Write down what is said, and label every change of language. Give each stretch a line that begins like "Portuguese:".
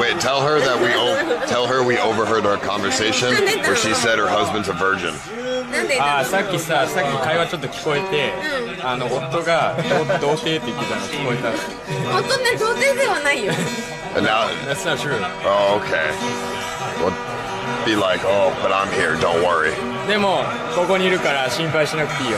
English: Wait, tell her we overheard our conversation where she said her husband's a virgin.
Japanese: Ah, さっきさ、さっき会話ちょっと聞こえて、あの夫が童貞って言ってたの聞こえた。夫って童貞ではないよ。
English: And now, that's not true. Oh, okay. Well, be like, oh, but I'm here, don't worry.
Japanese: でもここにいるから心配しなくていいよ。